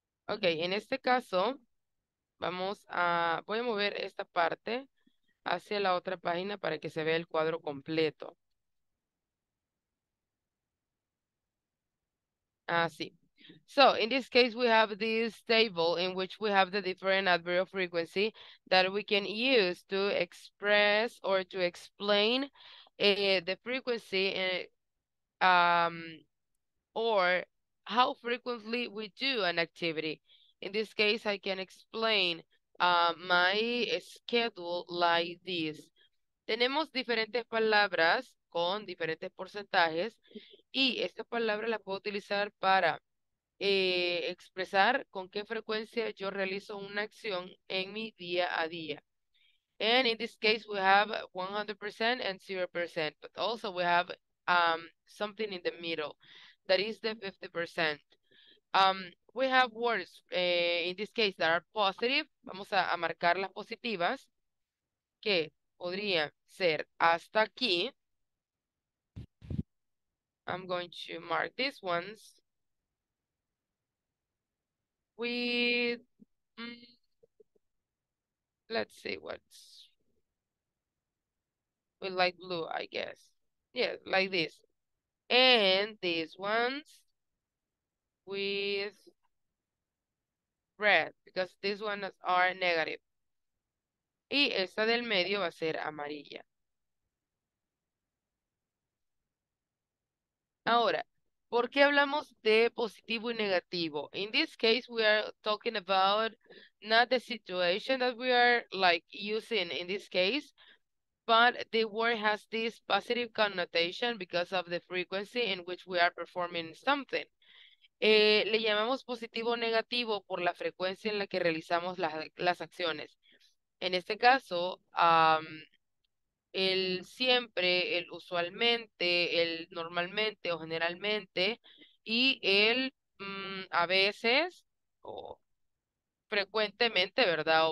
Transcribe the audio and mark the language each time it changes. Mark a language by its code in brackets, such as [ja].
[es] Ok, en este caso, voy a mover esta parte hacia la otra página para que se vea el cuadro completo. Así. [en] So, in this case, we have this table in which we have the different adverb frequency that we can use to express or to explain the frequency or how frequently we do an activity. In this case, I can explain my schedule like this. [es] Tenemos diferentes palabras con diferentes porcentajes y esta palabra la puedo utilizar para expresar con qué frecuencia yo realizo una acción en mi día a día. [en] And in this case, we have 100% and 0%, but also we have something in the middle, that is the 50%. We have words in this case that are positive. [es] Vamos a marcar las positivas, que podría ser hasta aquí. [en] I'm going to mark these ones with, let's see what's with light blue, I guess. Yeah, like this. And these ones with red, because these ones are negative. [es] Y esta del medio va a ser amarilla. Ahora, ¿por qué hablamos de positivo y negativo? [en] In this case, we are talking about not the situation that we are like using in this case, but the word has this positive connotation because of the frequency in which we are performing something. [es] Le llamamos positivo o negativo por la frecuencia en la que realizamos las acciones. En este caso, el siempre, el usualmente, el normalmente o generalmente, y el a veces o frecuentemente, ¿verdad?